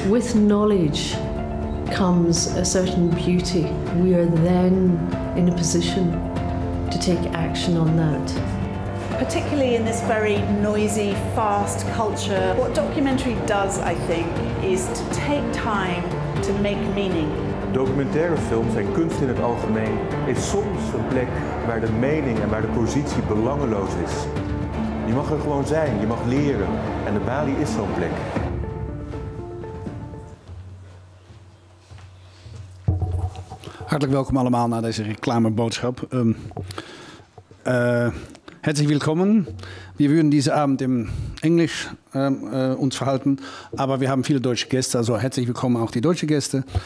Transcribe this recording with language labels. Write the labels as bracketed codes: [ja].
[en] With knowledge comes a certain beauty. We are then in a position to take action on that. Particularly in this very noisy, fast culture, what documentary does, I think, is to take time to make meaning. [nl] Documentaire films en kunst in het algemeen is soms een plek waar de mening en waar de positie belangeloos is. Je mag er gewoon zijn, je mag leren en de Balie is zo'n plek. Hartelijk welkom allemaal naar deze reclameboodschap. [de] Herzlich willkommen. Wir würden diesen Abend im Englisch uns verhalten, aber wir haben viele deutsche Gäste, also herzlich willkommen auch die deutsche Gäste.